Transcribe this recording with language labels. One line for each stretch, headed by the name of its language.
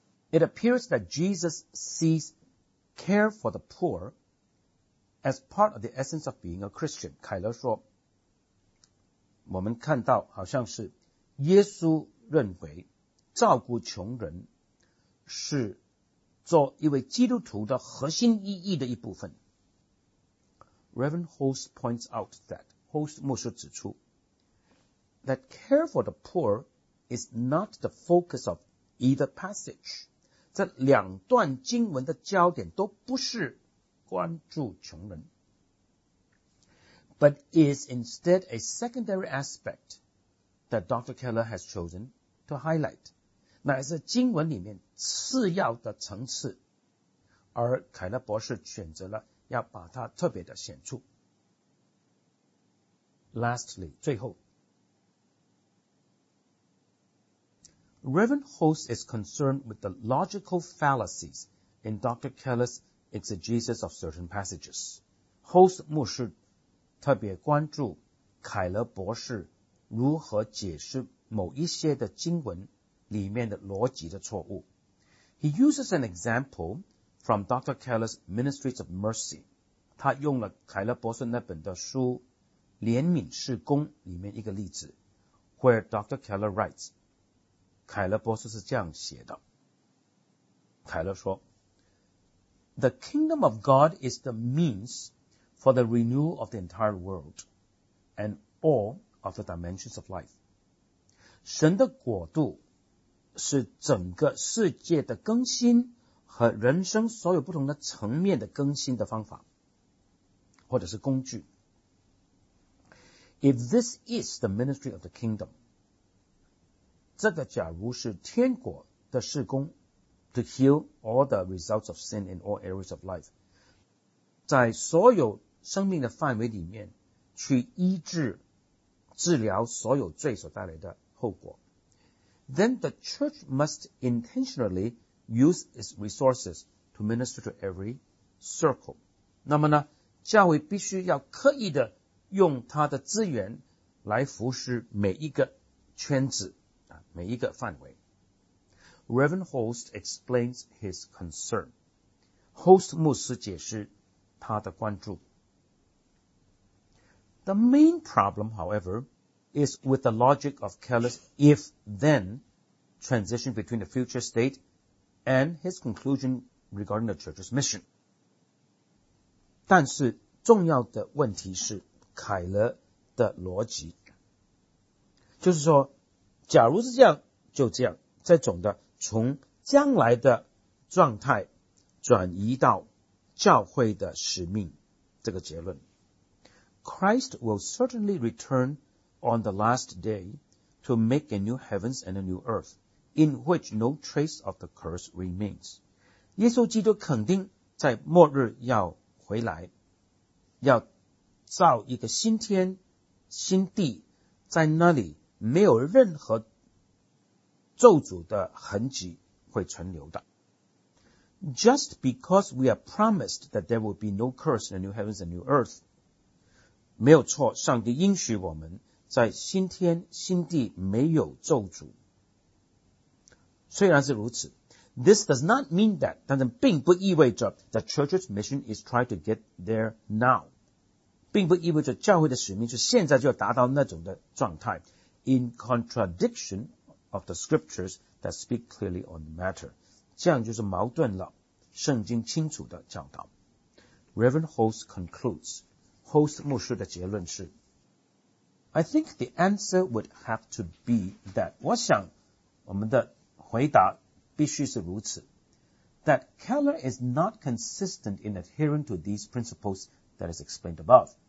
English: It appears that Jesus sees care for the poor as part of the essence of being a Christian.
Chinese: 凯勒说我们看到好像是耶稣认为照顾穷人是做一位基督徒的核心意义的一部分。
English: Reverend Host points out that, Host
Chinese: 牧师指出
English: that care for the poor is not the focus of either passage.
Chinese: 这两段经文的焦点都不是关注穷人
English: but is instead a secondary aspect that Dr. Keller has chosen to highlight.
Chinese: 乃是经文里面次要的层次而凯勒博士选择了要把它特别的显出
English: Lastly,
Chinese: 最后
English: Reverend Host is concerned with the logical fallacies in Dr. Keller's exegesis of certain passages
Chinese: Host 牧师特别关注凯勒博士如何解释某一些的经文里面的逻辑的错误。
English: He uses an example from Dr. Keller's Ministries of Mercy.
Chinese: 他用了凯勒博士那本的书《怜悯事工》里面一个例子 ,
English: where Dr. Keller writes,
Chinese: 凯勒博士是这样写的。凯勒说
English: ,The kingdom of God is the means for the renewal of the entire world and all of the dimensions of life.
Chinese: 神的国度是整个世界的更新和人生所有不同的层面的更新的方法或者是工具
English: If this is the ministry of the kingdom
Chinese: 这个假如是天国的事工
English: to heal all the results of sin in all areas of life
Chinese: 在所有生命的范围里面去医治治疗所有罪所带来的后果
English: Then the church must intentionally use its resources to minister to every circle.
Chinese: 那么呢教会必须要刻意的用它的资源来服侍每一个圈子每一个范围。
English: Reverend Host explains his concern.
Chinese: Host 牧师解释他的关注。
English: The main problem, however,is with the logic of Keller's if-then transition between the future state and his conclusion regarding the church's mission.
Chinese: 但是重要的问题是凯勒的逻辑。就是说假如是这样就这样这种的从将来的状态转移到教会的使命这个结论。
English: Christ will certainly returnOn the last day to make a new heavens and a new earth, in which no trace of the curse remains.
Chinese: 耶稣基督肯定在末日要回来，要造一个新天、新地，在那里没有任何咒诅的痕迹会存留的。
English: just because we are promised that there will be no curse in the new heavens and new earth,
Chinese: 没有错, 上帝应许我们, 在新天新地没有咒诅。虽然是如此,
English: this does not mean that,
Chinese: 但是并不意味着,
English: the church's mission is trying to get there now.
Chinese: 并不意味着教会的使命是现在就要达到那种的状态,
English: in contradiction of the scriptures that speak clearly on the matter.
Chinese: 这样就是矛盾了, 圣经清楚的教导。
English: Reverend Host concludes,
Chinese: Host牧师的结论是,
English: I think the answer would have to be that,
Chinese: 我想我们的回答必须是如此,
English: that Keller is not consistent in adhering to these principles that is explained above.